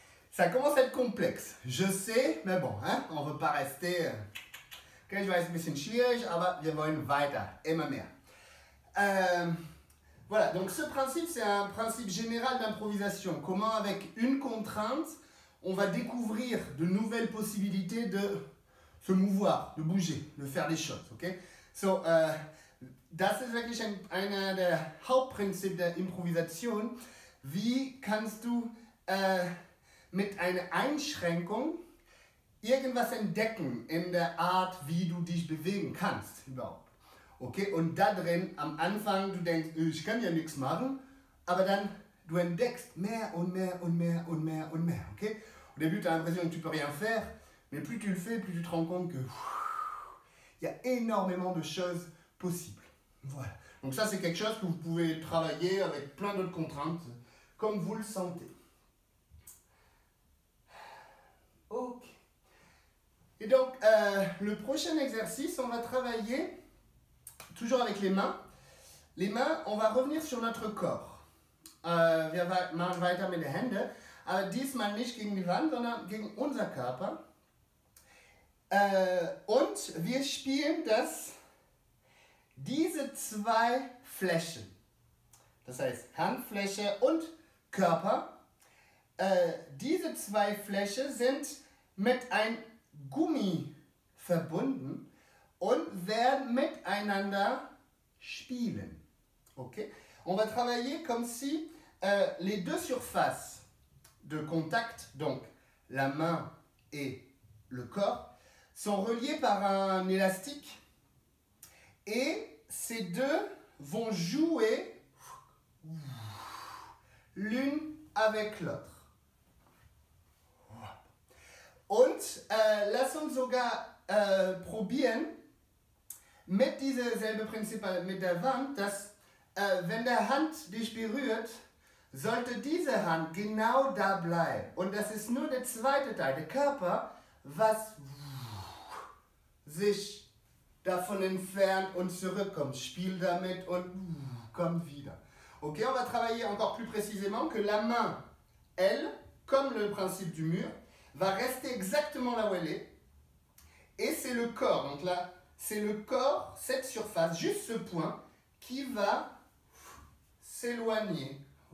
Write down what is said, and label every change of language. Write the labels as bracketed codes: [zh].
[fr] Ça commence à être complexe, je sais, mais bon, hein, on veut pas rester. [de] Ok, [fr] je vais être un [de] bisschen schwierig, aber wir wollen weiter, immer mehr. [fr] Voilà, donc ce principe, c'est un principe général d'improvisation. Comment, avec une contrainte, on va découvrir de nouvelles possibilités de se mouvoir, de bouger, de faire des choses. [de] Ok, so, das ist wirklich ein der Hauptprinzip der Improvisation. Wie kannst du mit einer Einschränkung irgendwas entdecken in der Art, wie du dich bewegen kannst überhaupt? Okay, und da drin am Anfang, du denkst, ich kann ja nichts machen, aber dann du entdeckst mehr und mehr und mehr und mehr und mehr. [fr] Okay, au début, tu as l'impression que tu peux rien faire, mais plus tu le fais, plus tu te rends compte que il y a énormément de choses possibles. Voilà, donc ça, c'est quelque chose que vous pouvez travailler avec plein d'autres contraintes comme vous le sentez. Ok. Et donc, le prochain exercice, on va travailler toujours avec les mains. Les mains, on va revenir sur notre corps. [de] Wir machen weiter mit den Händen. Aber diesmal nicht gegen die Wand, sondern gegen unser Körper. Und wir spielen das, diese zwei Flächen. Das heißt, Handfläche und Körper. Diese zwei Flächen sind mit einem Gummi verbunden und werden miteinander spielen. Okay? [fr] On va travailler comme si les deux surfaces de contact, donc la main et le corps, sont reliées par un élastique et ces deux vont jouer l'une avec l'autre. [de] Und lass uns sogar probieren mit diesem selben Prinzip mit der Wand, dass wenn der Hand dich berührt, sollte diese Hand genau da bleiben. Und das ist nur der zweite Teil, der Körper, was sich davon entfernt und zurückkommt. Spiel damit und komm wieder. [fr] Okay, on va travailler encore plus précisément que la main, elle, comme le principe du mur, va rester exactement là où elle est. Et c'est le corps, donc là, c'est le corps, cette surface, juste ce point, qui va s'éloigner.